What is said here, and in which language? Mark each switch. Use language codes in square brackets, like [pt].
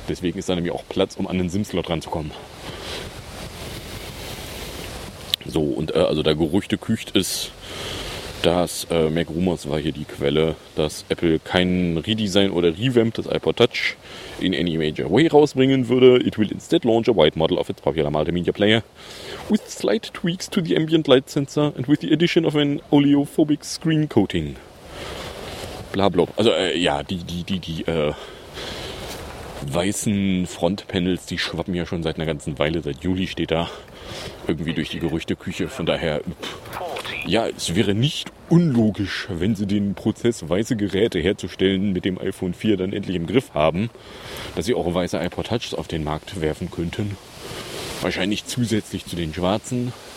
[de] Deswegen ist da nämlich auch Platz, um an den SIM-Slot ranzukommen. So, und also da Gerüchte kücht ist, dass Mac Rumors war hier die Quelle, dass Apple keinen Redesign oder Revamp des iPod Touch [en] in any major way [de] rausbringen würde. [en] It will instead launch a white model of its popular multimedia player with slight tweaks to the ambient light sensor and with the addition of an oleophobic screen coating. Blablabla. Bla. [de] Also ja, die weißen Frontpanels, die schwappen ja schon seit einer ganzen Weile, seit Juli steht da irgendwie durch die Gerüchteküche, von daher ja, es wäre nicht unlogisch, wenn sie den Prozess, weiße Geräte herzustellen, mit dem iPhone 4 dann endlich im Griff haben, dass sie auch weiße iPod Touches auf den Markt werfen könnten, wahrscheinlich zusätzlich zu den schwarzen.